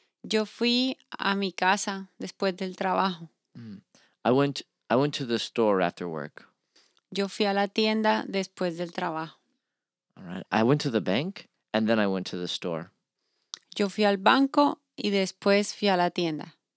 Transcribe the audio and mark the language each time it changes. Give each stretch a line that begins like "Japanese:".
Spanish: Yo fui a mi casa después del trabajo.
English: I went to the store after work.
Spanish: Yo fui a la tienda después del trabajo.
English: All right. I went to the bank and then I went to the store.
Spanish: Yo fui al banco y después fui a la tienda.